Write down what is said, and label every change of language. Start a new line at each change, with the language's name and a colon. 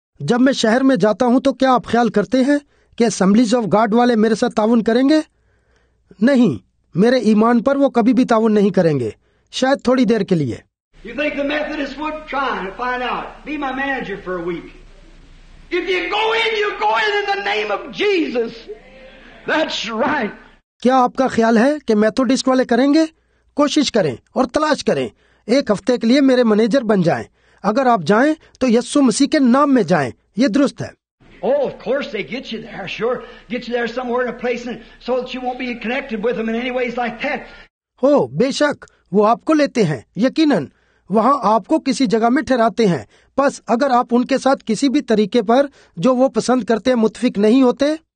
Hindi: जब मैं शहर में जाता हूँ तो क्या आप ख्याल करते हैं कि असेंबलीज ऑफ गॉड वाले मेरे साथ तावुन करेंगे? नहीं, मेरे ईमान पर वो कभी भी ताउन नहीं करेंगे, शायद थोड़ी देर के लिए।
English: You think the Methodists would try to find out, be my manager for a week. If you go in, you go in the name of Jesus. That's right.
Hindi: क्या आपका ख्याल है कि मेथोडिस्ट वाले करेंगे? कोशिश करें और तलाश करें, एक हफ्ते के लिए मेरे मैनेजर बन जाएं। अगर आप जाएं, तो यीशु मसीह के नाम में जाएं। ये दुरुस्त है।
English: Oh, of course they get you there, sure. Get you there somewhere in a place so that you won't be connected with them in any ways like that.
Hindi: Oh, बेशक वो आपको लेते हैं, यकीनन वहाँ आपको किसी जगह में ठहराते हैं, बस अगर आप उनके साथ किसी भी तरीके पर जो वो पसंद करते हैं मुत्तफिक नहीं होते।